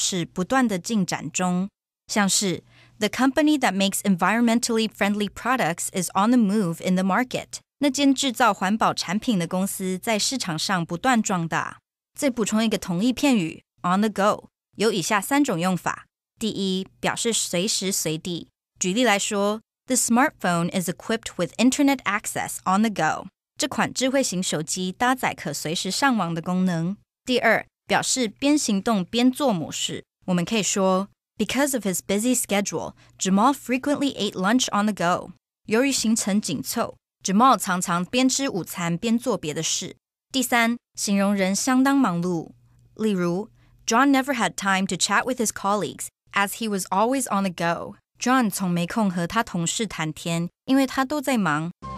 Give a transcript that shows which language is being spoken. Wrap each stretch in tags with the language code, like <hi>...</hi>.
<zh>我的姐姐是一名歌手，所以她常奔波于全国各城市间。另外，这个片语还可以表示不断的进展中，像是</zh> <en>the company that makes environmentally friendly products is on the move in the market.</en> <zh>那间制造环保产品的公司在市场上不断壮大。再补充一个同义片语, on the go, 有以下三种用法。第一,表示随时随地。举例来说,</zh> <en>the smartphone is equipped with internet access on the go.</en> <zh>这款智慧型手机搭载可随时上网的功能。第二,表示边行动边做模式。我们可以说,</zh> <en>because of his busy schedule, Jamal frequently ate lunch on the go.</en> <zh>由于行程紧凑, Jamal 常常边吃午餐边做别的事。第三,形容人相当忙碌。例如,</zh> <en>John never had time to chat with his colleagues, as he was always on the go.</en> <zh>John 从没空和他同事谈天,因为他都在忙。</zh>